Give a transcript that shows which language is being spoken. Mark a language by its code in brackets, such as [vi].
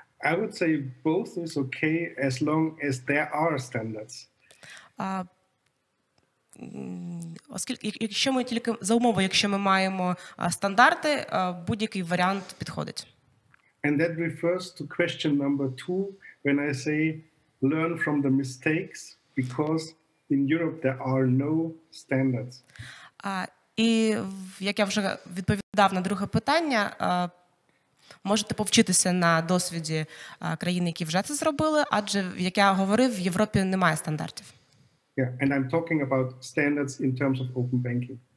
[en] I would say both is okay as long as there are standards. [uk] Якщо ми тільки за умови, якщо ми маємо стандарти, будь-який варіант підходить. [en] And that refers to question number two, when I say learn from the mistakes, because in Europe there are no standards. [uk] І як я вже відповідав на друге питання, можете повчитися на досвіді країн, які вже це зробили, адже, як я говорив, в Європі немає стандартів. [en] Yeah, and I'm talking about standards in terms of open banking.